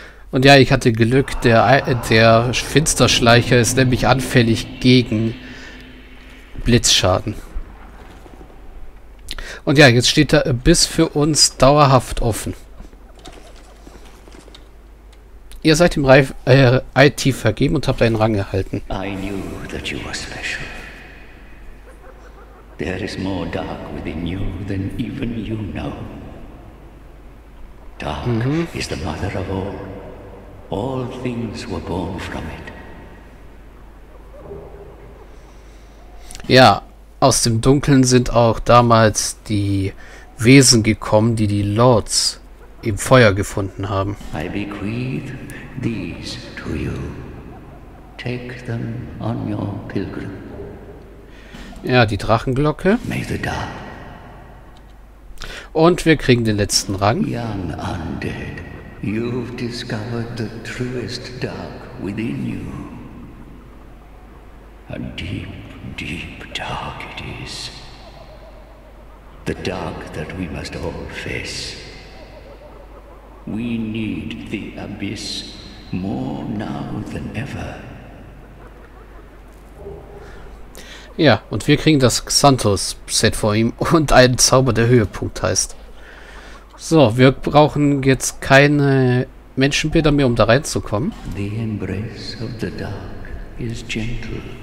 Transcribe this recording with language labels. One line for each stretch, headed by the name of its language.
German: Und ja, ich hatte Glück, der Finsterschleicher ist nämlich anfällig gegen Blitzschaden. Und ja, jetzt steht der Abyss für uns dauerhaft offen. Ihr seid dem IT vergeben und habt einen Rang erhalten.
English: I knew that you were special. There is more dark within you than even you know. Dark is the mother of all. All things were born from it.
German: Ja, aus dem Dunkeln sind auch damals die Wesen gekommen, die die Lords im Feuer gefunden haben.
English: I bequeath these to you. Take them on your pilgrimage.
German: Ja, die Drachenglocke.
English: May the God.
German: Und wir kriegen den letzten Rang.
English: Young undead, you've discovered the truest dark within you. A deep, deep dark it is. The dark that we must all face. We need the abyss more now than ever.
German: Ja, und wir kriegen das Xanthos-Set vor ihm und einen Zauber, der Höhepunkt heißt. So, wir brauchen jetzt keine Menschenbilder mehr, um da reinzukommen.
English: The embrace of the dark is gentle.